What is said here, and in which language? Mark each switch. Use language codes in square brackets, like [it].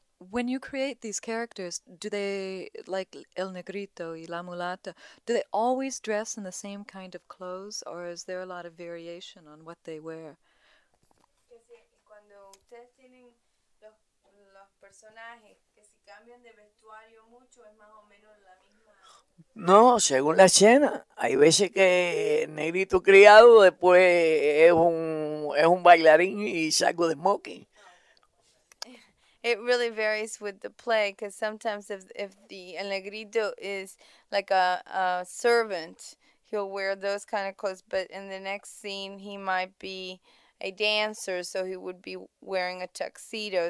[en] When you create these characters, do they, like El Negrito y La Mulata, do they always dress in the same kind of clothes, or is there a lot of variation on what they wear? [es] Cuando ustedes tienen los personajes, que si cambian de vestuario mucho, es más o menos la misma. No, según la escena. Hay veces que Negrito criado después es un bailarín y saco de smoking. [en] It really varies with the play, because sometimes if the El Negrito is like a servant, he'll wear those kind of clothes, but in the next scene he might be a dancer, so he would be wearing a tuxedo.